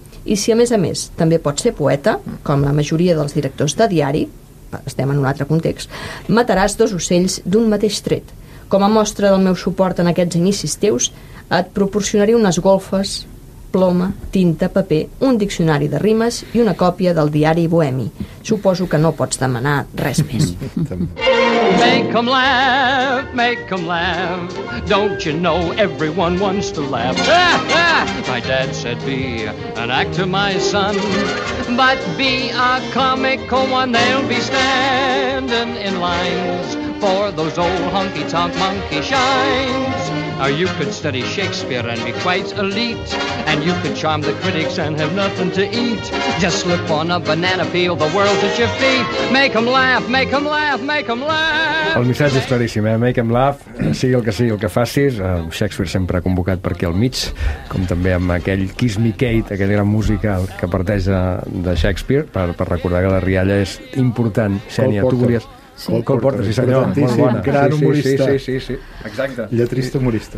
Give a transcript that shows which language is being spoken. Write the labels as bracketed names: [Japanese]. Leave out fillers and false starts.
[Catalan] I si a més també pot ser poeta, com la majoria dels directors de diari, estem en un altre context, mataràs dos ocells d'un mateix tret. Com a mostra del meu suport en aquests inicis teus, et proporcionaré unes golfes, ploma, tinta, paper, un diccionari de rimes i una còpia del diari Bohemi. Suposo que no pots demanar res més." [English] Make 'em laugh, make 'em laugh. Don't you know everyone wants to laugh? Ah, ah! My dad said be an actor, my son. But be a comical one, they'll be standing in lines for those old honky-tonk monkey shines. Or you could study Shakespeare and be quite elite. And you could charm the critics and have nothing to eat. Just slip on a banana peel, the world's at your feet. Make 'em laugh, make 'em laugh, make 'em laugh. [Catalan] El missatge és claríssim, eh? [English] Make 'em laugh, [Catalan] sigui el que sigui el que facis. Shakespeare sempre ha convocat per aquí al mig, com també amb aquell Kiss Me Kate, aquell gran musical que parteix de Shakespeare, per recordar que la rialla és important. Xènia, tu volies... Sí. Cole Porter, sí senyor, molt bona. Gran humorista. Sí, exacte. Lletrista humorista.